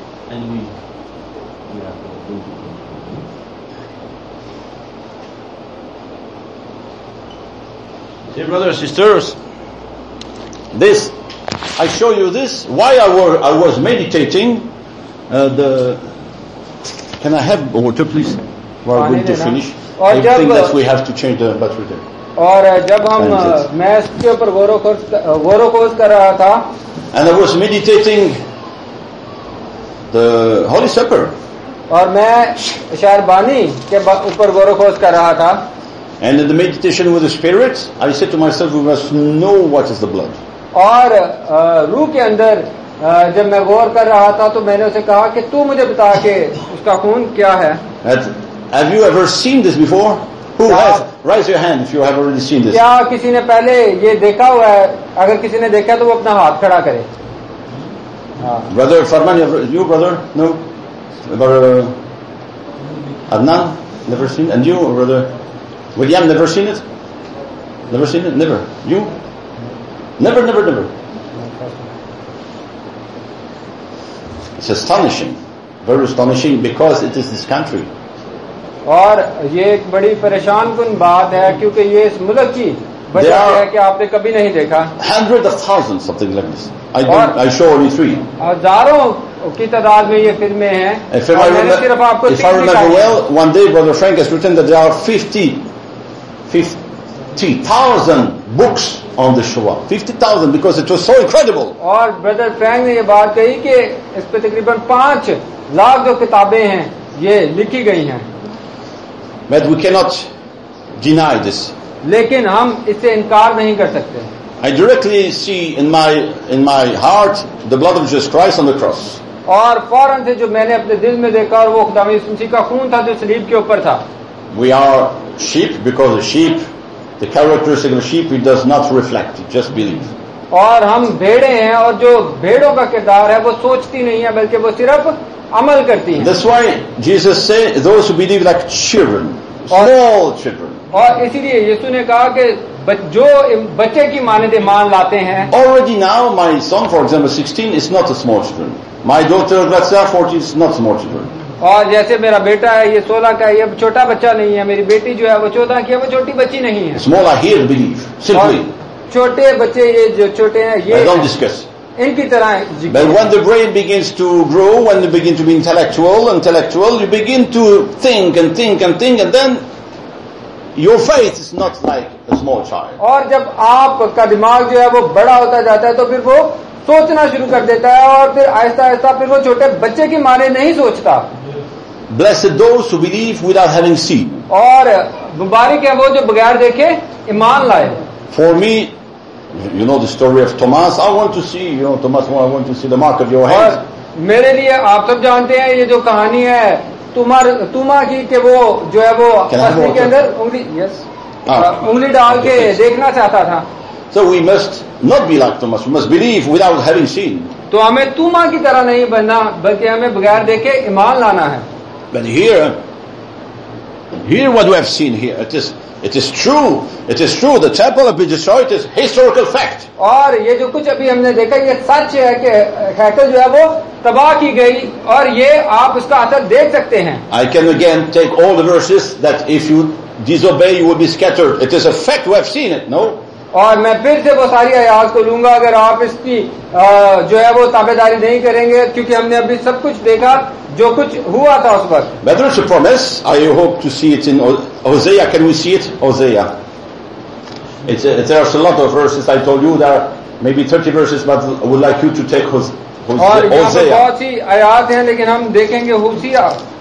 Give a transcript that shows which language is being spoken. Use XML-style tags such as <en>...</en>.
<en>And we. Dear brothers, sisters, this I show you this. Why I was meditating? The can I have water, please? We are going to finish. I think that we have to change the battery there.</en> <hi>और जब हम मैं इसके ऊपर गौरव कर रहा था.</hi> <en>And I was meditating the Holy Supper.</en> <hi>और मैं शारबानी के ऊपर गौरखोज कर रहा था.</hi> <en>And in the meditation with the spirit, I said to myself, we must know what is the blood.</en> <hi>और रूह के अंदर जब मैं गौर कर रहा था तो मैंने उसे कहा कि तू मुझे बता के उसका खून क्या है.</hi> <en>Have you ever seen this before? Who has? Raise your hand if you have already seen this.</en> <hi>क्या किसी ने पहले ये देखा हुआ है? अगर किसी ने देखा तो वो अपना हाथ खड़ा करे.</hi> <en>Brother Farman, you brother? No. Brother Adnan, never seen it. And you, brother William, never seen it? Never seen it? Never. You? Never, never, never. It's astonishing. Very astonishing because it is this country.</en> <hi>और ये एक बड़ी परेशान कुन बात है क्योंकि ये इस मुल्क की वजह है कि आपने कभी नहीं देखा.</hi> <en>Hundreds of thousands of things like this. I show only three.</en> <hi>हजारों की तादाद में ये फिल्में हैं.</hi> <en>If I remember well, one day Brother Frank has written that there are 50,000 books on the Shoah. 50,000 because it was so incredible.</en> <hi>और Brother Frank ने ये बात कही कि इस पर तकरीबन 500,000 जो किताबें हैं ये लिखी गई हैं.</hi> <en>But we cannot deny this.</en> <hi>लेकिन हम इससे इनकार नहीं कर सकते.</hi> <en>I directly see in my heart the blood of Jesus Christ on the cross.</en> <hi>और फौरन से जो मैंने अपने दिल में देखा और वो खुदावंद यीशु मसीह का खून था जो सलीब के ऊपर था.</hi> <en>We are sheep because of sheep, the characteristic of a sheep, it does not reflect, it just believe.</en> <hi>और हम भेड़े हैं और जो भेड़ों का किरदार है वो सोचती नहीं है बल्कि वो सिर्फ अमल करती है.</hi> <en>That's why Jesus said those who believe like children, small children.</en> <hi>और इसीलिए यीशु ने कहा कि जो बच्चे की मानदे मान लाते हैं.</hi> <en>Already now my son for example 16 is not a small children. My daughter Vatsa 14 is not small children.</en> <hi>और जैसे मेरा बेटा है ये 16 का, ये छोटा बच्चा नहीं है. मेरी बेटी जो है वो 14 की है, वो छोटी बच्ची नहीं है.</hi> <en>Small I hear believe simply.</en> <hi>छोटे बच्चे ये जो छोटे हैं ये</hi> <en>I don't discuss.</en> <hi>इनकी तरह है.</hi> <en>But when the brain begins to grow, when they begin to be intellectual, you begin to think and then your faith is not like a small child.</en> <hi>और जब आपका दिमाग जो है वो बड़ा होता जाता है तो फिर वो सोचना शुरू कर देता है और फिर आहिस्ता आहिस्ता फिर वो छोटे बच्चे की माने नहीं सोचता.</hi> <en>Blessed those who believe without having seen.</en> <hi>और मुबारक है वो जो बगैर देखे ईमान लाए.</hi> <en>For me, you know the story of Thomas. I want to see, you know, Thomas, I want to see the mark of your hands.</en> <hi>मेरे लिए आप सब जानते हैं ये जो कहानी है तुमा की के वो जो है वो अस्थि के अंदर उंगली उंगली डाल के देखना चाहता था.</hi> <en>So we must not be like Thomas. We must believe without having seen.</en> <hi>तो हमें तुमा की तरह नहीं बनना, बल्कि हमें बगैर देखे ईमान लाना है.</hi> <en>But hear what we have seen here. It is true. It is true. The temple of Bijisoy is historical fact.</en> <hi>और ये जो कुछ अभी हमने देखा, ये सच है कि हैकल जो है वो तबाह की गई, और ये आप उसका असर देख सकते हैं.</hi> <en>I can again take all the verses that if you disobey, you will be scattered. It is a fact. We have seen it. No.</en> <hi>और मैं फिर से वो सारी आयात को लूंगा, अगर आप इसकी जो है वो ताबेदारी नहीं करेंगे, क्योंकि हमने अभी सब कुछ देखा जो कुछ हुआ था उस पर.</hi> <en>Whether it's a promise, I hope to see it in Hosea. Can we see it? Hosea. There's a lot of verses. I told you there are maybe 30 verses, but I would like you to take Hosea.</en> <hi>और यहाँ पर बहुत सी आयात हैं, लेकिन हम देखेंगे Hosea.</hi>